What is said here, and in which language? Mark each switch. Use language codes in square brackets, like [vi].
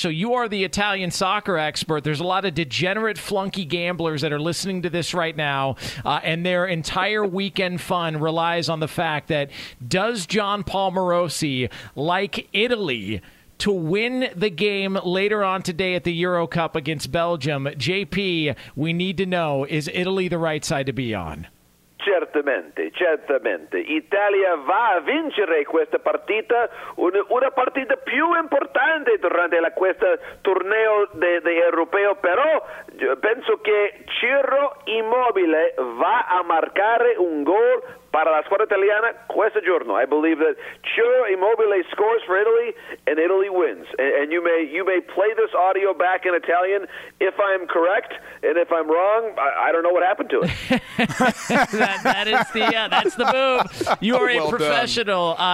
[en] So you are the Italian soccer expert. There's a lot of degenerate, flunky gamblers that are listening to this right now, and their entire weekend fun relies on the fact that does John Paul Morosi like Italy to win the game later on today at the Euro Cup against Belgium? JP, we need to know, is Italy the right side to be on? [it] Certamente, certamente. Italia va a vincere questa partita, una partita più importante durante questo torneo di europeo, però penso che Ciro Immobile va a marcare un gol para la squadra italiana questo giorno. [en] I believe that Ciro Immobile scores for Italy, and Italy wins. And you may play this audio back in Italian if I'm correct, and if I'm wrong, I don't know what happened to it. That's the move. You are a professional.